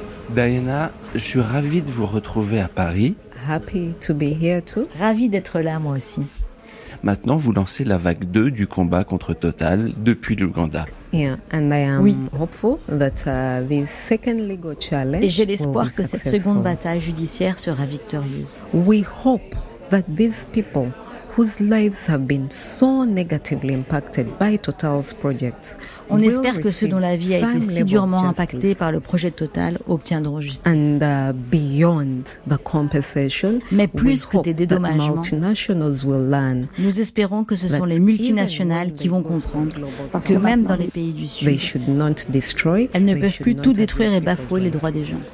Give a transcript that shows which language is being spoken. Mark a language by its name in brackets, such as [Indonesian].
[French] Diana, je suis ravie de vous retrouver à Paris. [English] Happy to be here too. [French] Ravie d'être là, moi aussi. Maintenant, vous lancez la vague 2 du combat contre Total depuis l'Ouganda. [English] Yeah, and I am hopeful that this second legal challenge. [French] Et j'ai l'espoir que cette seconde bataille judiciaire sera victorieuse. [English] We hope that these people whose lives have been so negatively impacted by Total's projects. [French] On espère que ceux dont la vie a été si durement impactée par le projet Total obtiendront justice. [English] And beyond the compensation, [French] mais plus que des dédommagements, nous espérons que ce sont les multinationales qui vont comprendre que même dans les pays du Sud, elles ne peuvent plus tout détruire et bafouer les droits des gens.